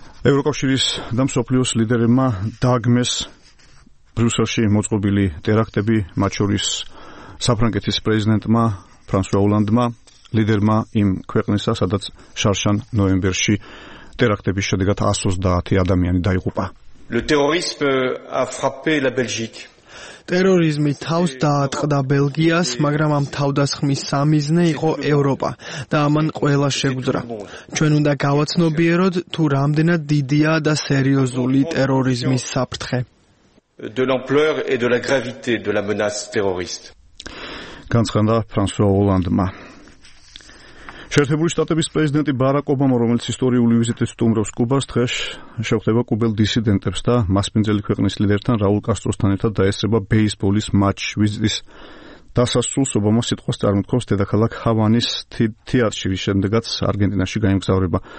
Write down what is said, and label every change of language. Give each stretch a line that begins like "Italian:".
Georgian: ევროკავშირის და მსოფლიოს ლიდერებმა დაგმეს ბრიუსელში მოწყობილი ტერაქტები, მათ შორის საფრანგეთის პრეზიდენტმა ფრანსუა ოლანდმა, ლიდერმა იმ ქვეყნისა, სადაც შარშან ნოემბერში ტერაქტების შედეგად 130 ადამიანი დაიღუპა.
French: Le terrorisme a frappé la Belgique.
Georgian: ტერორიზმი თავს დაატყდა ბელგიას, მაგრამ ამ თავდასხმის სამიზნე იყო ევროპა და ამან ყველა შეგვძრა. ჩვენ უნდა გავაცნობიეროთ, თუ რამდენად დიდია და სერიოზული ტერორიზმის საფრთხე.
French: De l'ampleur et de la gravité de la menace terroriste.
Georgian: განცხადა ფრანსუა ოლანდმა. შეერთებული შტატების პრეზიდენტი ბარაკ ობამა, რომელიც ისტორიული ვიზიტით სტუმრობს კუბას, დღეს შეხვდება კუბელ დისიდენტებს და მასპინძელი ქვეყნის ლიდერთან რაულ კასტროსთან ერთად დაესწრება ბეისბოლის მატჩს. ვიზიტის დასასრულს ობამას სიტყვას წარმოთქვამს დედაქალაქ ჰავანის თეატრში, რის შემდეგაც არგენტინაში გაემგზავრება.